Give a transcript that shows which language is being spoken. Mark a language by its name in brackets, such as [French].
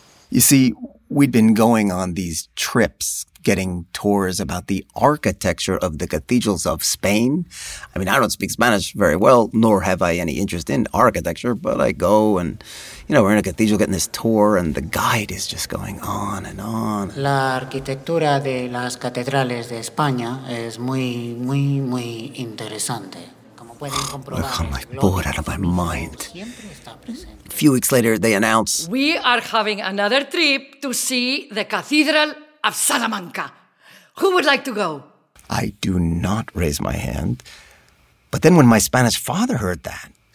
[English] You see, we'd been going on these trips, getting tours about the architecture of the cathedrals of Spain. I mean, I don't speak Spanish very well, nor have I any interest in architecture, but I go and, you know, we're in a cathedral getting this tour and the guide is just going on and on. [Spanish] La arquitectura de las catedrales de España es muy, muy, muy interesante. [English] Look, I'm like bored out of my mind. A few weeks later, they announce, "We are having another trip to see the Cathedral of Salamanca. Who would like to go?" I do not raise my hand. But then when my Spanish father heard that,